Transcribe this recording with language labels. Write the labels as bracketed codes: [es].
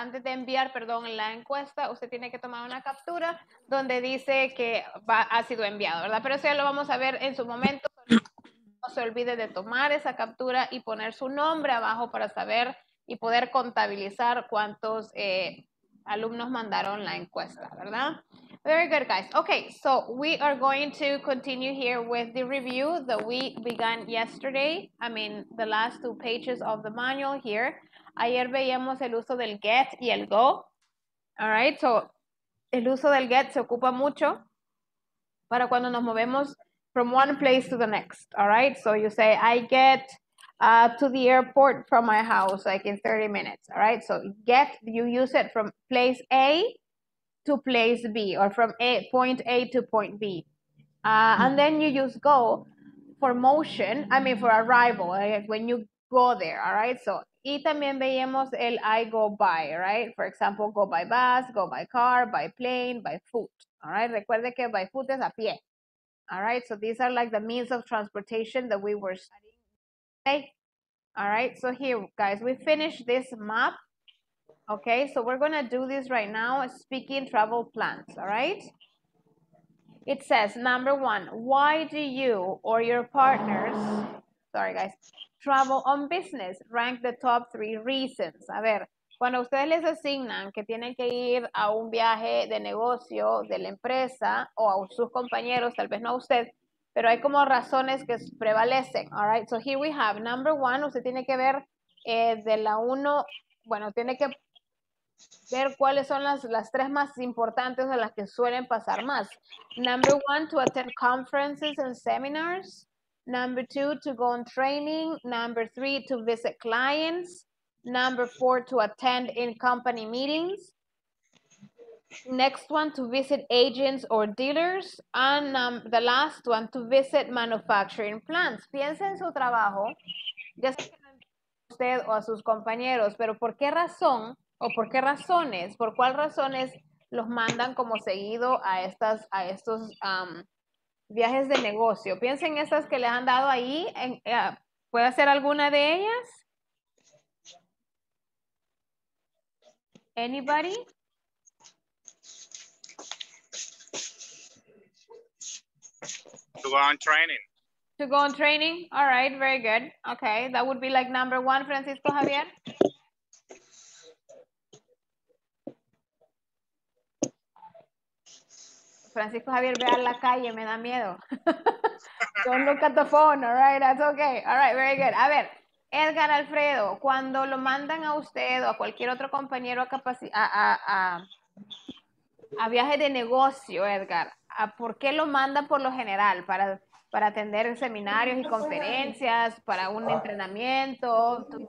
[es] Antes de enviar, perdón, la encuesta, usted tiene que tomar una captura donde dice que ha sido enviado, ¿verdad? Pero eso ya lo vamos a ver en su momento. No se olvide de tomar esa captura y poner su nombre abajo para saber y poder contabilizar cuántos alumnos mandaron la encuesta, ¿verdad? [en] Very good, guys. Okay, so we are going to continue here with the review that we began yesterday. I mean, the last two pages of the manual here. [es] Ayer veíamos el uso del get y el go. All right, so el uso del get se ocupa mucho para cuando nos movemos from one place to the next. [en] All right, so you say, I get to the airport from my house, like in 30 minutes. All right, so get, you use it from place A to place B, or from A, point A to point B. And then you use go for motion, I mean for arrival, like when you go there, all right? [es] So, y también veíamos el I go by, right? [en] For example, go by bus, go by car, by plane, by foot, all right? [es] Recuerde que by foot es a pie, all right? [en] So these are like the means of transportation that we were studying, okay? All right, so here, guys, we finished this map. Okay, so we're gonna do this right now, speaking travel plans, all right? It says, number one, why do you or your partners, sorry guys, travel on business? Rank the top three reasons. [es] A ver, cuando ustedes les asignan que tienen que ir a un viaje de negocio de la empresa o a sus compañeros, tal vez no a usted, pero hay como razones que prevalecen, all right? So here we have, number one, usted tiene que ver de la uno, bueno, tiene que ver cuáles son las tres más importantes o las que suelen pasar más. [en] Number one, to attend conferences and seminars. Number two, to go on training. Number three, to visit clients. Number four, to attend in company meetings. Next one, to visit agents or dealers. And the last one, to visit manufacturing plants. [es] Piensa en su trabajo, ya sea usted o a sus compañeros, pero ¿por qué razón? ¿O por qué razones? ¿Por cuál razones los mandan como seguido a estos viajes de negocio? Piensen esas que les han dado ahí. ¿Puede ser alguna de ellas? [en] Anybody? To go on training. To go on training. All right, very good. Okay, that would be like number one, Francisco Javier. Francisco Javier, ve a la calle, me da miedo. Don't look at the phone, all right, that's okay. All right, very good. [es] A ver, Edgar Alfredo, cuando lo mandan a usted o a cualquier otro compañero a viaje de negocio, Edgar, ¿por qué lo mandan por lo general? ¿Para atender seminarios y conferencias, para un entrenamiento?